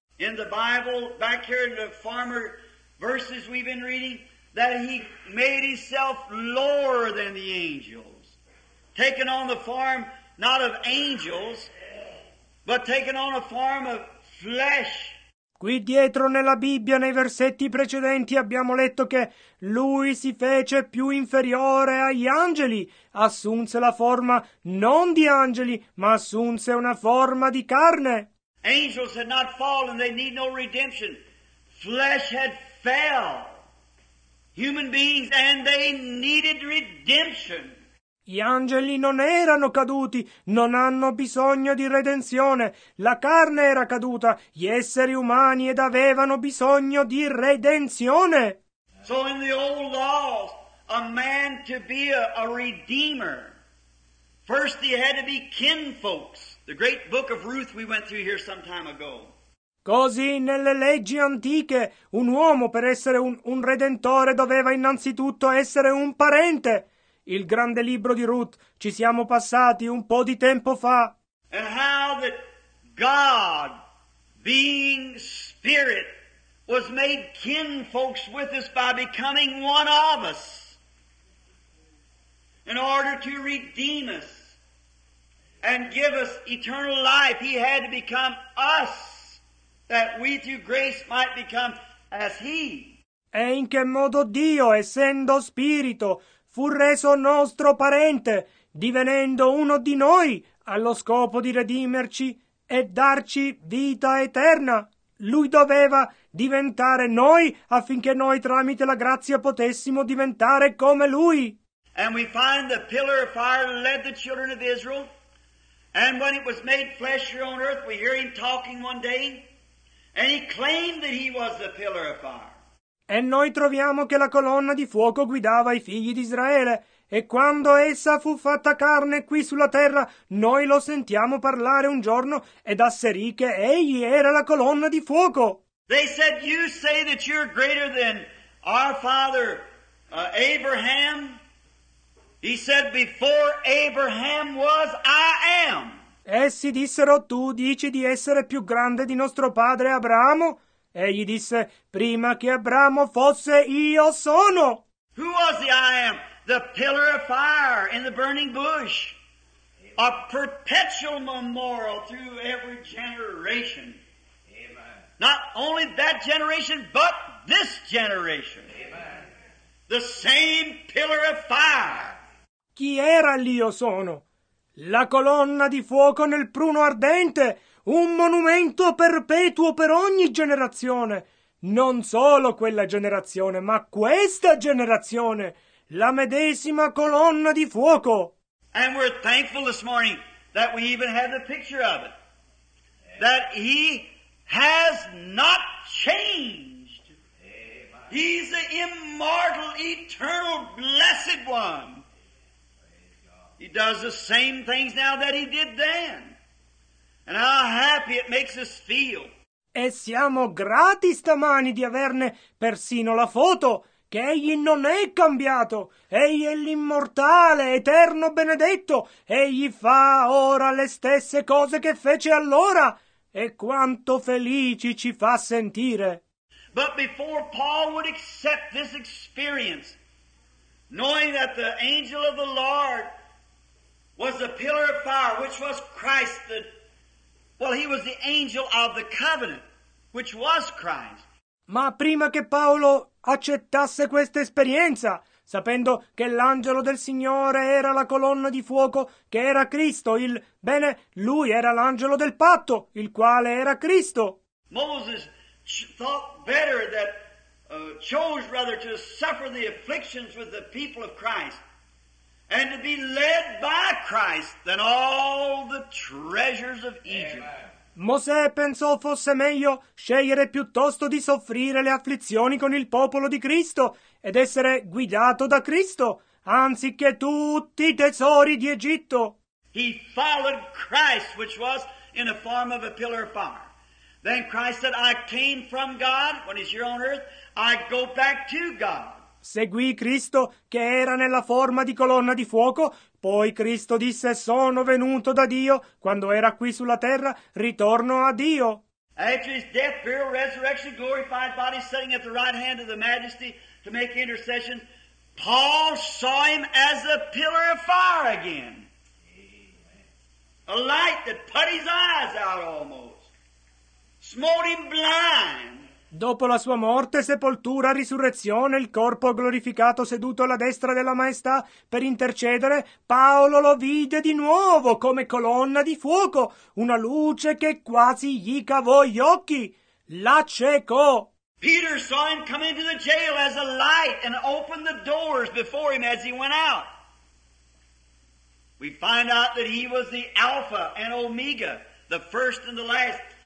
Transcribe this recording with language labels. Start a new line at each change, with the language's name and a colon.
English: In the Bible, back here in the former verses we've been reading, that he made himself lower than the angels, taking on the form not of angels, but taking on a form of flesh.
Italian: Qui dietro nella Bibbia, nei versetti precedenti, abbiamo letto che lui si fece più inferiore agli angeli, assunse la forma non di angeli, ma assunse una forma di carne.
English: Angels had not fallen, they need no redemption. Flesh had fell. Human beings, and they needed redemption.
Italian: Gli angeli non erano caduti, non hanno bisogno di redenzione. La carne era caduta, gli esseri umani ed avevano bisogno di redenzione.
English: So in the old laws, a man to be a redeemer, first he had to be kinfolks. The great book of Ruth we went through here some time ago.
Italian: Così nelle leggi antiche, un uomo per essere un redentore doveva innanzitutto essere un parente. Il grande libro di Ruth ci siamo passati un po' di tempo fa.
English: And how that God, being spirit, was made kinfolks with us by becoming one of us in order to redeem us and give us eternal life. He had to become us, that we through grace might become as He.
Italian: E in che modo Dio, essendo spirito, fu reso nostro parente, divenendo uno di noi, allo scopo di redimerci e darci vita eterna. Lui doveva diventare noi affinché noi tramite la grazia potessimo diventare come Lui.
English: And we find the pillar of fire led the children of Israel. And when it was made flesh here on earth, we hear Him talking one day. And He claimed that He was the pillar of fire.
Italian: E noi troviamo che la colonna di fuoco guidava i figli di Israele. E quando essa fu fatta carne qui sulla terra, noi lo sentiamo parlare un giorno ed asserì che egli era la colonna di fuoco.
English: They said, you say that you're greater than our father Abraham. He said, before Abraham was, I am.
Italian: Essi dissero, tu dici di essere più grande di nostro padre Abramo? Egli disse, prima che Abramo fosse, io sono.
English: Who was the I am? The pillar of fire in the burning bush. A perpetual memorial through every generation. Amen. Not only that generation, but this generation. Amen. The same pillar of fire.
Italian: Chi era l'io sono? La colonna di fuoco nel pruno ardente. Un monumento perpetuo per ogni generazione, non solo quella generazione, ma questa generazione, la medesima colonna di fuoco.
English: And we're thankful this morning that we even have the picture of it, that He has not changed. He's the immortal, eternal, blessed one. He does the same things now that He did then. And how happy it makes us feel.
Italian: E siamo grati stamani di averne persino la foto, che Egli non è cambiato. Egli è l'immortale, eterno, benedetto. Egli fa ora le stesse cose che fece allora. E quanto felici ci fa sentire.
English: But before Paul would accept this experience, knowing that the angel of the Lord was the pillar of fire, which was Christ, he was the angel of the covenant, which was Christ.
Italian: Ma prima che Paolo accettasse questa esperienza, sapendo che l'angelo del Signore era la colonna di fuoco, che era Cristo, lui era l'angelo del patto, il quale era Cristo.
English: Moses thought better that chose rather to suffer the afflictions with the people of Christ and to be led by Christ than all the treasures of Egypt. Amen.
Italian: Mosè pensò fosse meglio scegliere piuttosto di soffrire le afflizioni con il popolo di Cristo ed essere guidato da Cristo, anziché tutti i tesori di Egitto.
English: He followed Christ, which was in the form of a pillar of fire. Then Christ said, I came from God, when He's here on earth, I go back to God.
Italian: Seguì Cristo, che era nella forma di colonna di fuoco. Poi Cristo disse, sono venuto da Dio. Quando era qui sulla terra, ritorno a Dio.
English: After His death, burial, resurrection, glorified body, sitting at the right hand of the majesty to make intercession, Paul saw Him as a pillar of fire again. A light that put His eyes out almost. Smote Him blind.
Italian: Dopo la sua morte, sepoltura, risurrezione, il corpo glorificato seduto alla destra della Maestà per intercedere, Paolo lo vide di nuovo come colonna di fuoco, una luce che quasi gli cavò gli occhi. La ciecò.
English: Peter saw Him come into the jail as a light and opened the doors before Him as He went out. We find out that he was the Alpha and Omega, the first and the last.